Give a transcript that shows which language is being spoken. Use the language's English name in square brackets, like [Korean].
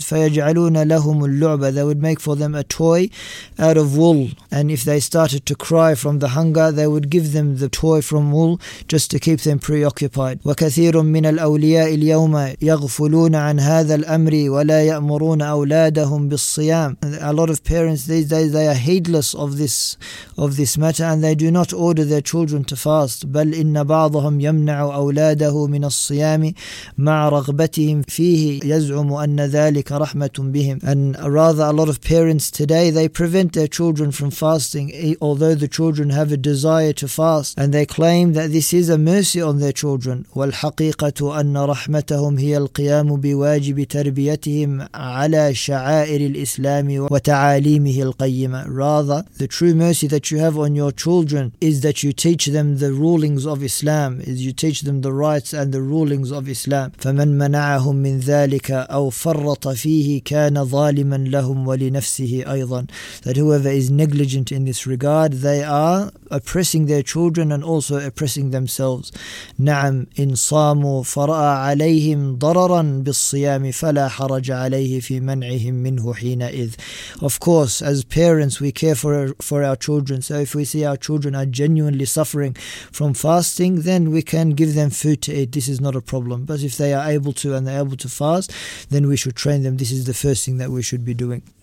[Arabic] فيجعلون لهم اللعبة, [English] they would make for them a toy out of wool, and if they started to cry from the hunger, they would give them the toy from wool just to keep them preoccupied. [Arabic] وكثير من الأولياء اليوم يغفلون عن هذا الأمر ولا يأمرون أولادهم بالصيام. [English] A lot of parents these days, they are heedless of this matter, and they do not order their children to fast. [Arabic] بل إن بعضهم يمنع أولاده من الصيام مع رغبتهم فيه يزعم أن ذلك رحمة بهم. [English] And rather, a lot of parents today, they prevent their children from fasting, although the children have a desire to fast, and they claim that this is a mercy on their children. [Arabic] والحقيقة أن رحمتهم هي القيام بواجب تربيتهم على شعائر الإسلام وتعاليمه القيمة. [English] Rather, the true mercy that you have on your children is that you teach them the rulings of Islam, is you teach them the rights and the rulings of Islam. [Arabic] فمن منعهم من ذلك أو فرط فيه كان ظالما لهم ولنفسه أيضا. [English] That whoever is negligent in this regard, they are oppressing their children and also oppressing themselves. [Arabic] نعم إن صاموا فرأى عليهم ضررا بالصيام فلا حرج عليه في منعهم منه حينئذ. [English] Of course, as parents, we care for our children. So if we see our children are genuinely suffering from fasting, then we can give them food to eat. This is not a problem. But if they are able to and they're able to fast, then we should train them. This is the first thing that we should be doing.